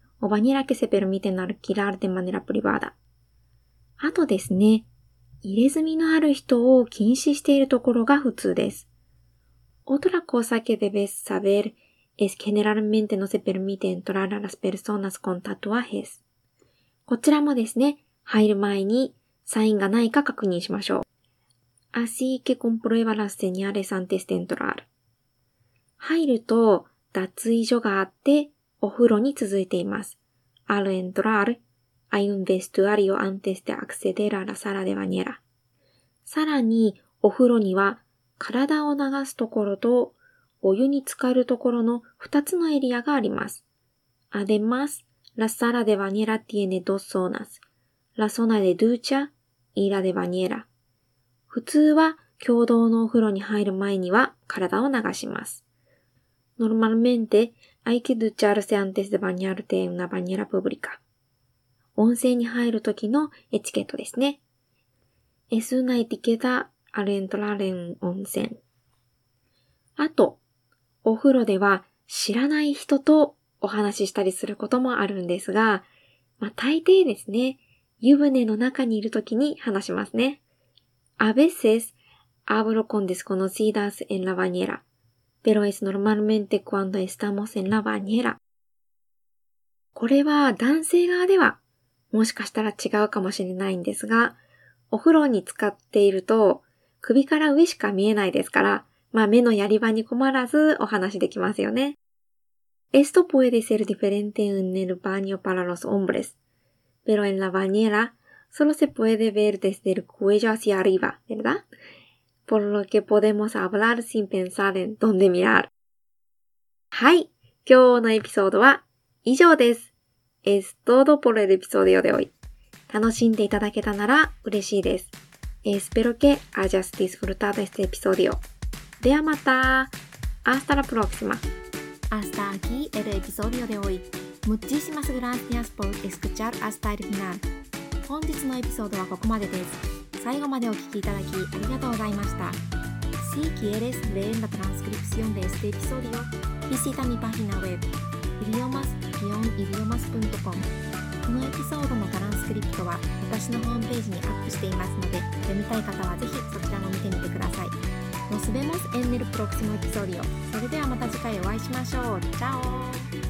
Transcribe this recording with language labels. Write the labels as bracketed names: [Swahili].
[Spanish] o vanilla que se permite alquilar de manera privada。 [Japanese] あとですね、入れ墨のある人を禁止しているところが普通です。 [Spanish] Otra cosa que debes saber es que generalmente no se permite entrar a las personas con tatuajes。 [Japanese] こちらもですね、入る前にサインがないか確認しましょう。 [Spanish] Así que comprueba las señales antes de entrar。 [Japanese] 入ると脱衣所があってお風呂に続いています。 [Spanish] Al entrar hay un vestuario antes de acceder a la sala de bañera。 [Japanese] さらにお風呂には体を流すところとお湯に浸かるところの2つのエリアがあります。 [Spanish] Además, la sala de bañera tiene dos zonas. La zona de ducha y la de bañera。 [Japanese] 普通は共同のお風呂に入る前には体を流します。 [Spanish] Normalmente, hay que ducharse antes de bañarte en una bañera pública。 [Japanese] 温泉に入る時のエチケットですね。 [Spanish] Es una etiqueta al entrar en 温泉。 [Japanese] あと、お風呂では知らない人とお話ししたりすることもあるんですが、まあ、大抵ですね、湯船の中にいる時に話しますね。 [Spanish] A veces hablo con desconocidas en la bañera, pero es normalmente cuando estamos en la bañera。 [Japanese] これは男性側ではもしかしたら違うかもしれないんですが、お風呂に浸かっていると首から上しか見えないですから、まあ目のやり場に困らずお話できますよね。 [Spanish] Esto puede ser diferente en el baño para los hombres, pero en la bañera solo se puede ver desde el cuello hacia arriba, ¿verdad? Por lo que podemos hablar sin pensar en dónde mirar. [Japanese] はい、今日のエピソードは以上です。 [Spanish] Es todo por el episodio de hoy. [Japanese] 楽しんでいただけたなら嬉しいです。 [Spanish] Espero que hayas disfrutado este episodio. [Japanese] ではまた。 [Spanish] Hasta la próxima. Hasta aquí el episodio de hoy. Muchísimas gracias por escuchar hasta el final. [Japanese] 本日のエピソードはここまでです。最後までお聞きいただきありがとうございました。 [Spanish] Si quieres leer la transcripción de este episodio, visita mi página web idiomas-idiomas.com。 [Japanese] このエピソードのトランスクリプトは私のホームページにアップしていますので、読みたい方はぜひそちらも見てみてください。 [Spanish] Nos vemos en el próximo episodio. [Japanese] それではまた次回お会いしましょう。チャオ。